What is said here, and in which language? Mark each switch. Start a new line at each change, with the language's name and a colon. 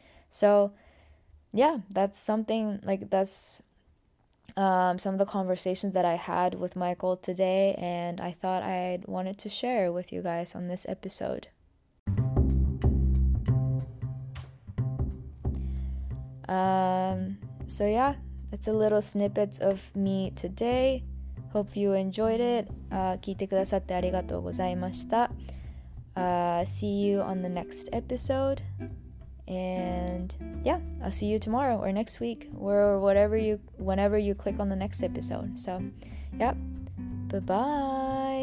English: So, yeah, that's something like that's some of the conversations that I had with Michael today, and I thought I'd wanted to share with you guys on this episode. So yeah, that's a little snippet of me today. Hope you enjoyed it.
Japanese: 聞いてくださってありがとうございました。
English: See you on the next episode. And yeah, I'll see you tomorrow or next week or whatever you, whenever you click on the next episode. So yeah, bye-bye.